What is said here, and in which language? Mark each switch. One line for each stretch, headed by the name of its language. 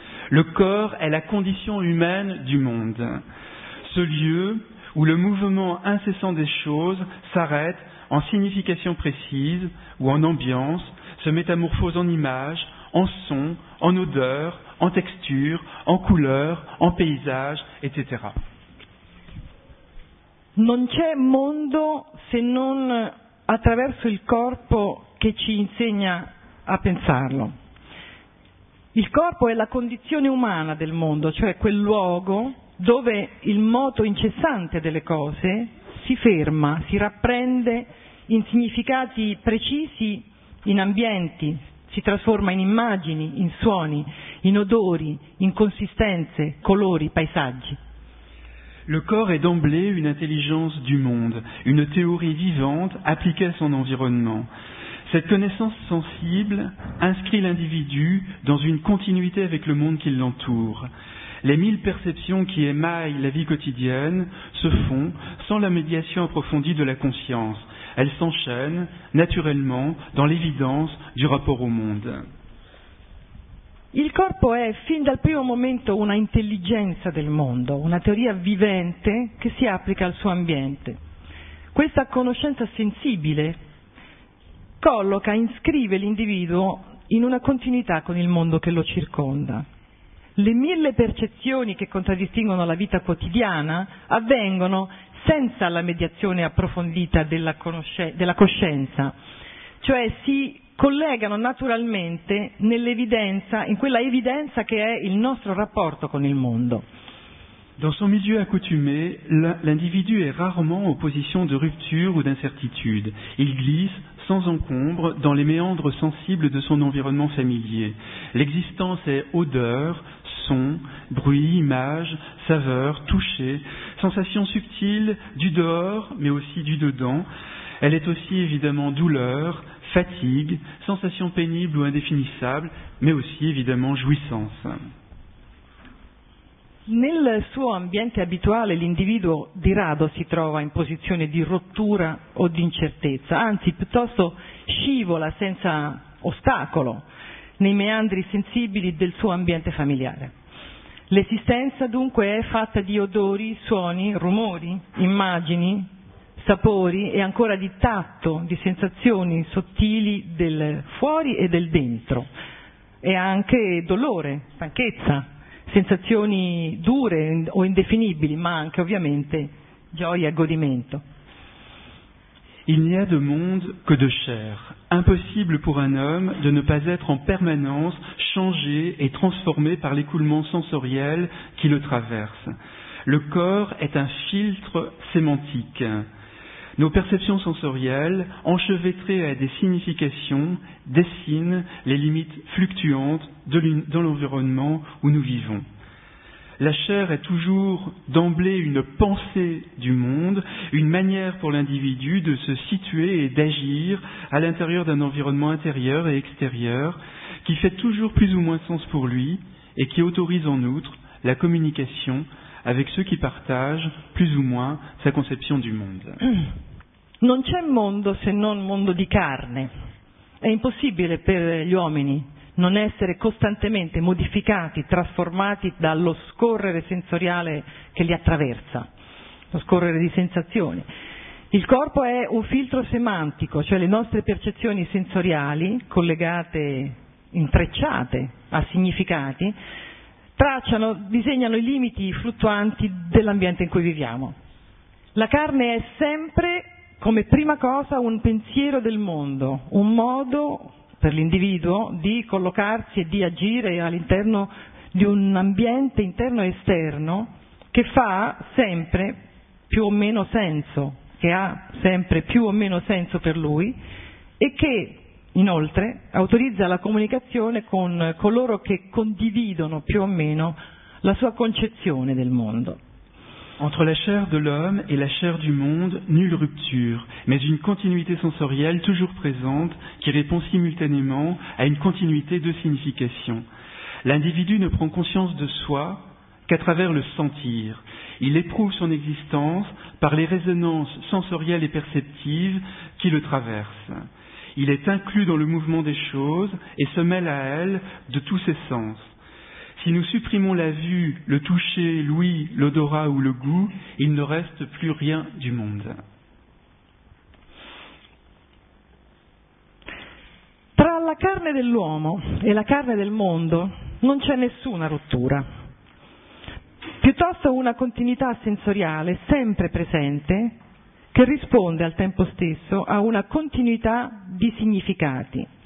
French: Le corps est la condition humaine du monde, ce lieu où le mouvement incessant des choses s'arrête en signification précise ou en ambiance, se métamorphose en image, en son, en odeur, en texture, en couleur, en paysage, etc.
Italian: Non c'è mondo se non attraverso il corpo che ci insegna a pensarlo. Il corpo è la condizione umana del mondo, cioè quel luogo dove il moto incessante delle cose si ferma, si rapprende in significati precisi, in ambienti, si trasforma in immagini, in suoni, in odori, in consistenze, colori, paysaggi.
French: Le corps est d'emblée une intelligence du monde, une théorie vivante appliquée à son environnement. Cette connaissance sensible inscrit l'individu dans une continuité avec le monde qui l'entoure. Les mille perceptions qui émaillent la vie quotidienne se font sans la médiation approfondie de la conscience. Elles s'enchaînent naturellement dans l'évidence du rapport au monde.
Italian: Il corpo è fin dal primo momento una intelligenza del mondo, una teoria vivente che si applica al suo ambiente. Questa conoscenza sensibile colloca, inscrive l'individuo in una continuità con il mondo che lo circonda. Le mille percezioni che contraddistinguono la vita quotidiana avvengono senza la mediazione approfondita della coscienza, cioè si collegano naturalmente nell'evidenza, in quella evidenza che è il nostro rapporto con il mondo.
French: Dans son milieu accoutumé, l'individu est rarement en position de rupture ou d'incertitude. Il glisse sans encombre dans les méandres sensibles de son environnement familier. L'existence est odeur, son, bruit, image, saveur, toucher, sensation subtile du dehors mais aussi du dedans. Elle est aussi évidemment douleur, fatigue, sensation pénible ou indéfinissable, mais aussi évidemment jouissance.
Italian: Nel suo ambiente abituale l'individuo di rado si trova in posizione di rottura o di incertezza, anzi piuttosto scivola senza ostacolo nei meandri sensibili del suo ambiente familiare. L'esistenza dunque è fatta di odori, suoni, rumori, immagini, sapori e ancora di tatto, di sensazioni sottili del fuori e del dentro, e anche dolore, stanchezza, sensazioni dure o indefinibili, ma anche ovviamente gioia e godimento.
French: Il n'y a de monde que de chair. Impossible pour un homme de ne pas être en permanence changé et transformé par l'écoulement sensoriel qui le traverse. Le corps est un filtre sémantique. Nos perceptions sensorielles, enchevêtrées à des significations, dessinent les limites fluctuantes dans l'environnement où nous vivons. La chair est toujours d'emblée une pensée du monde, une manière pour l'individu de se situer et d'agir à l'intérieur d'un environnement intérieur et extérieur qui fait toujours plus ou moins sens pour lui et qui autorise en outre la communication avec ceux qui partagent plus ou moins sa conception du monde.
Italian: Non c'è mondo se non mondo di carne. È impossibile per gli uomini non essere costantemente modificati, trasformati dallo scorrere sensoriale che li attraversa, lo scorrere di sensazioni. Il corpo è un filtro semantico, cioè le nostre percezioni sensoriali, collegate, intrecciate a significati, tracciano, disegnano i limiti fluttuanti dell'ambiente in cui viviamo. La carne è sempre, come prima cosa, un pensiero del mondo, un modo per l'individuo di collocarsi e di agire all'interno di un ambiente interno e esterno che fa sempre più o meno senso, che ha sempre più o meno senso per lui e che inoltre autorizza la comunicazione con coloro che condividono più o meno la sua concezione del mondo.
French: Entre la chair de l'homme et la chair du monde, nulle rupture, mais une continuité sensorielle toujours présente qui répond simultanément à une continuité de signification. L'individu ne prend conscience de soi qu'à travers le sentir. Il éprouve son existence par les résonances sensorielles et perceptives qui le traversent. Il est inclus dans le mouvement des choses et se mêle à elles de tous ses sens. Si nous supprimons la vue, le toucher, l'ouïe, l'odorat ou le goût, il ne reste plus rien du monde.
Italian: Tra la carne dell'uomo e la carne del mondo non c'è nessuna rottura. Piuttosto una continuità sensoriale sempre presente che risponde al tempo stesso a una continuità di significati.